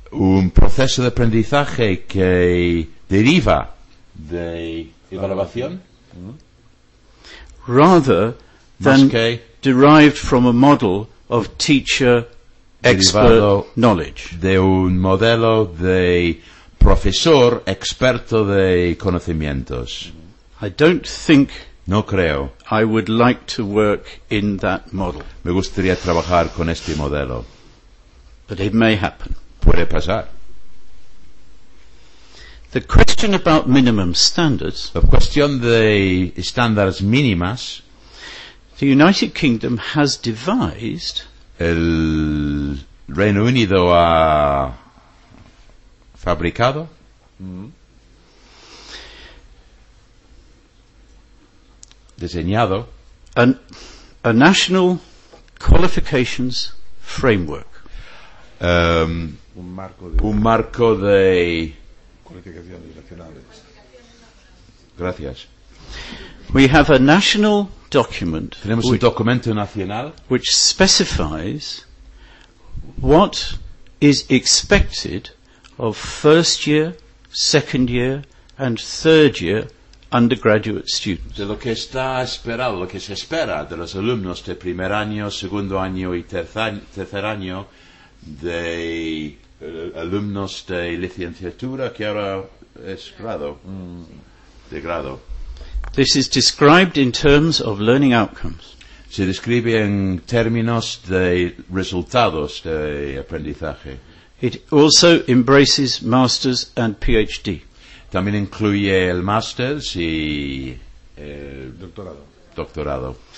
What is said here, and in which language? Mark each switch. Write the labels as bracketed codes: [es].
[es] Un proceso de aprendizaje que deriva de evaluación. [en] Rather than derived from a model of teacher expert knowledge. [es] De un modelo de profesor experto de conocimientos. [en] I don't think. [es] No creo. [en] I would like to work in that model. [es] Me gustaría trabajar con este modelo. [en] But it may happen. [es] Puede pasar. [en] The question about minimum standards. [es] La cuestión de estándares mínimas. [en] The United Kingdom has devised. [es] El Reino Unido ha fabricado. Diseñado. [en] A national qualifications framework. [es] Un marco de cualificaciones nacionales. Gracias. [en] We have a national document. [es] Tenemos un documento nacional [en] which specifies what is expected of first year, second year, and third year undergraduate students. [es] De lo que está esperado, lo que se espera de los alumnos de primer año, segundo año y tercer año. De alumnos de licenciatura que ahora es grado, de grado. [en] This is described in terms of learning outcomes. [es] Se describe en términos de resultados de aprendizaje. [en] It also embraces masters and PhD. [es] También incluye el masters y doctorado. Doctorado.